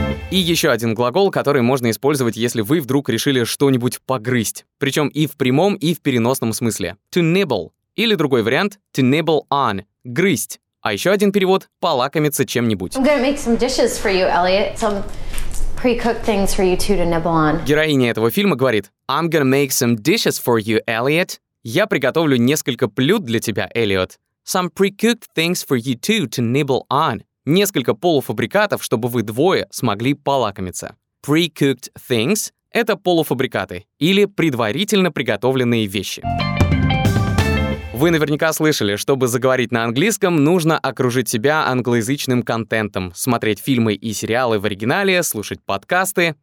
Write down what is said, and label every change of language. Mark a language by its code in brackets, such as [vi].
[ru] И еще один глагол, который можно использовать, если вы вдруг решили что-нибудь погрызть. Причем и в прямом, и в переносном смысле. [en] To nibble. [ru] Или другой вариант. [en] To nibble on. [ru] Грызть. А еще один перевод. Полакомиться чем-нибудь. [en] I'm gonna make some dishes for you, Elliot. Some pre-cooked things for you two to nibble on. [ru] Героиня этого фильма говорит. [en] I'm gonna make some dishes for you, Elliot. [ru] Я приготовлю несколько блюд для тебя, Эллиот. [en] Some pre-cooked things for you two to nibble on. [ru] Несколько полуфабрикатов, чтобы вы двое смогли полакомиться. [en] Pre-cooked things [ru] — это полуфабрикаты или предварительно приготовленные вещи. Вы наверняка слышали, чтобы заговорить на английском, нужно окружить себя англоязычным контентом, смотреть фильмы и сериалы в оригинале, слушать подкасты.